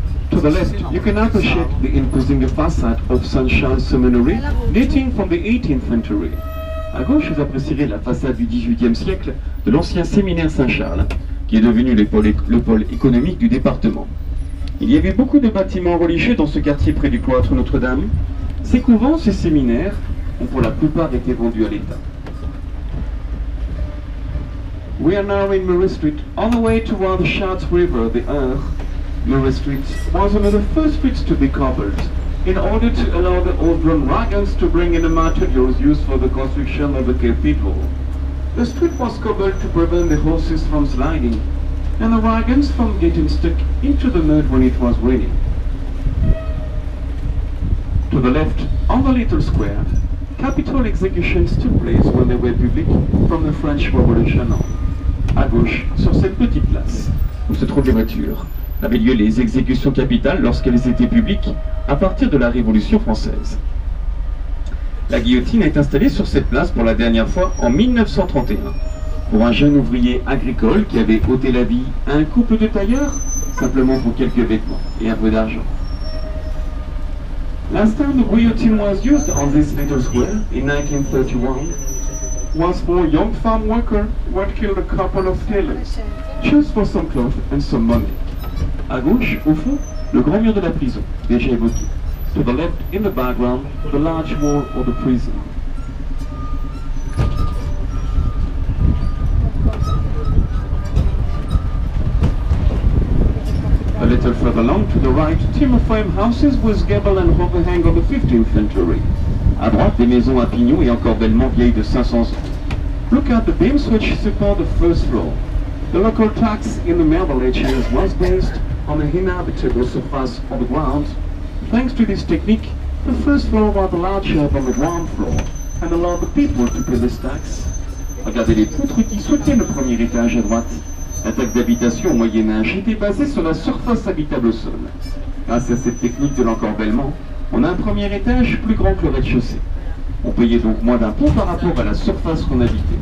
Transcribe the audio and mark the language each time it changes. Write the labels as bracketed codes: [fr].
[en] To the left, you can appreciate the imposing facade of Saint-Charles Seminary, dating from the 18th century. [fr] À gauche, vous apprécierez la façade du 18e siècle de l'ancien séminaire Saint-Charles, qui est devenu le pôle économique du département. Il y avait beaucoup de bâtiments religieux dans ce quartier près du cloître Notre-Dame. Ces couvents, ces séminaires, ont pour la plupart été vendus à l'État. [en] We are now in Murray Street, on the way toward the Chartres River, the Eure. Murray Street was one of the first streets to be covered, in order to allow the old Roman wagons to bring in the materials used for the construction of the cathedral. The street was cobbled to prevent the horses from sliding and the wagons from getting stuck into the mud when it was raining. To the left, on the little square, capital executions took place when they were public from the French Revolution on. [fr] À gauche, sur cette petite place où se trouvent les voitures, avaient lieu les exécutions capitales lorsqu'elles étaient publiques à partir de la Révolution française. La guillotine est installée sur cette place pour la dernière fois en 1931. Pour un jeune ouvrier agricole qui avait ôté la vie à un couple de tailleurs, simplement pour quelques vêtements et un peu d'argent. [en] Last time the guillotine was used on this little square in 1931 was for a young farm worker who had killed a couple of tailors, just for some cloth and some money. [fr] À gauche, au fond, le grand mur de la prison, déjà évoqué. [en] To the left, in the background, the large wall of the prison. A little further along, to the right, timber frame houses with gable and overhang of the 15th century. [fr] À droite, des maisons à pignons et encore bellement vieilles de 500 ans. [en] Look at the beams which support the first floor. The local tax in the Middle Ages was based on the inhabitable surface of the ground. Thanks to this technique, the first floor was larger than the ground floor and allowed the people to pay this tax. [fr] Regardez les poutres qui soutiennent le premier étage à droite. La taxe d'habitation au Moyen-Âge était basée sur la surface habitable au sol. Grâce à cette technique de l'encorbellement, on a un premier étage plus grand que le rez-de-chaussée. On payait donc moins d'impôts par rapport à la surface qu'on habitait.